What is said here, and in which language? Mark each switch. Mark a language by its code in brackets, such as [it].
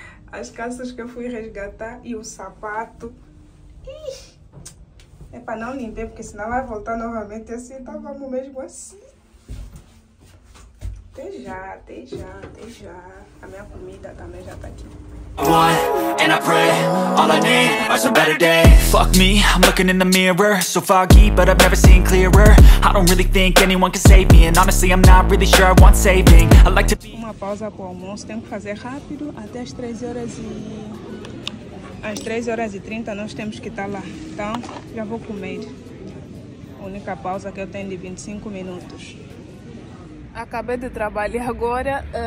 [pt] As calças que eu fui resgatar e o sapato. Ih, é para não limpar, porque senão vai voltar novamente assim. Então vamos mesmo assim. Até já, até já, até já. A minha comida também já tá aqui. [en] And I pray, all I need are some better days. Fuck me, I'm looking in the mirror. So foggy, but I've never seen clearer. I don't really think anyone can save me. And honestly, I'm not really sure I want saving. I like to be... [pt] Uma pausa pro almoço, tem que fazer rápido. Até as 13 horas e... Às 13 horas e 30 nós temos que estar lá. Então, já vou comer. A única pausa que eu tenho de 25 minutos. Acabei de trabalhar agora.